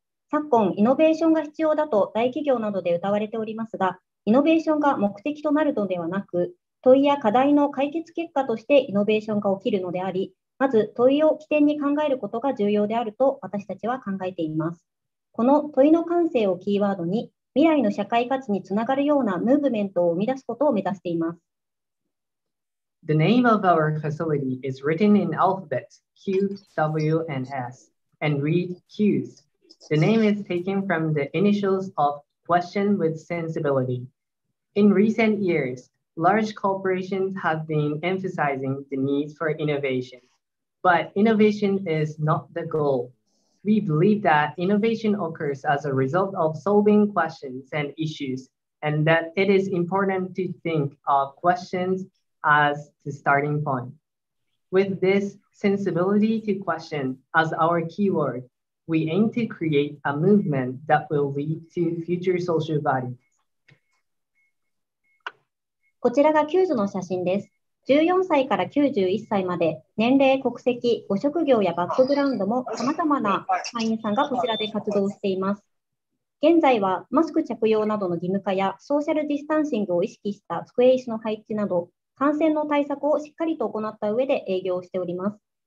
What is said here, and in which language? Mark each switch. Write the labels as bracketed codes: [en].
[ja] 昨今、イノベーションが必要だと大企業などで謳われておりますが、イノベーションが目的となるのではなく、問いや課題の解決結果としてイノベーションが起きるのであり、まず問いを起点に考えることが重要であると私たちは考えています。この問いの感性をキーワードに、未来の社会価値につながるようなムーブメントを生み出すことを目指しています。 [en] The name of our facility is written in alphabets Q, W, and S, and read Qs. The name is taken from the initials of Question with Sensibility. In recent years, large corporations have been emphasizing the need for innovation. But innovation is not the goal. We believe that innovation occurs as a result of solving questions and issues, and that it is important to think of questions as the starting point. With this sensibility to question as our keyword,We aim to create a movement that will lead to future social value. [ja] こちらが Hughes の写真です。 14歳から91歳まで、年齢、国籍、ご職業やバックグラウンドも様々な会員さんがこちらで活動しています。現在はマスク着用などの義務化やソーシャルディスタンシングを意識した机椅子の配置など、感染の対策をしっかりと行った上で営業しております。